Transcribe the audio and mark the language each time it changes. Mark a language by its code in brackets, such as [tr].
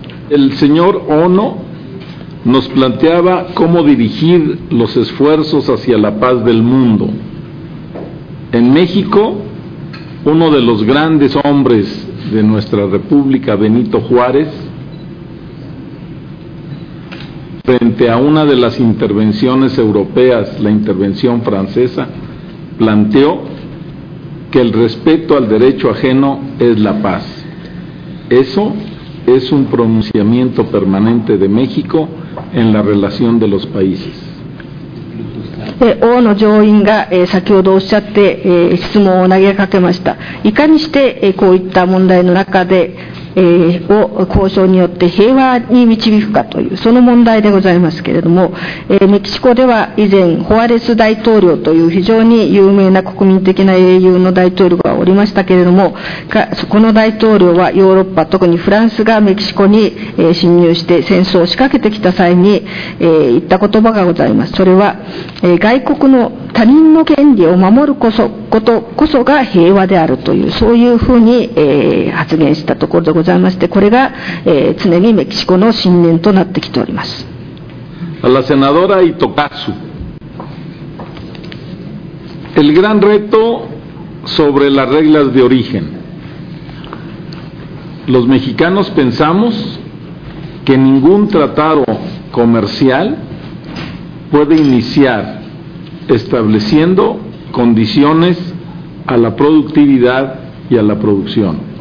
[es] El señor Ono... nos planteaba cómo dirigir los esfuerzos hacia la paz del mundo. En México, uno de los grandes hombres de nuestra República, Benito Juárez, frente a una de las intervenciones europeas, la intervención francesa, planteó que el respeto al derecho ajeno es la paz. Eso es un pronunciamiento permanente de México,en la relación de los países. [ja] 王の上院が先ほどおっしゃって質問を投げかけました。いかにしてこういった問題の中でを交渉によって平和に導くかというその問題でございますけれども、メキシコでは以前ホアレス大統領という非常に有名な国民的な英雄の大統領がおりましたけれども、この大統領はヨーロッパ特にフランスがメキシコに侵入して戦争を仕掛けてきた際に言った言葉がございます。それは外国の他人の権利を守ることこそが平和であるというそういうふうに発言したところでございまして、これが常にメキシコの信念となってきております。 [es] A la senadora Itokazu. El gran reto sobre las reglas de origen. Los mexicanos pensamos que ningún tratado comercial puede iniciarestableciendo condiciones a la productividad y a la producción.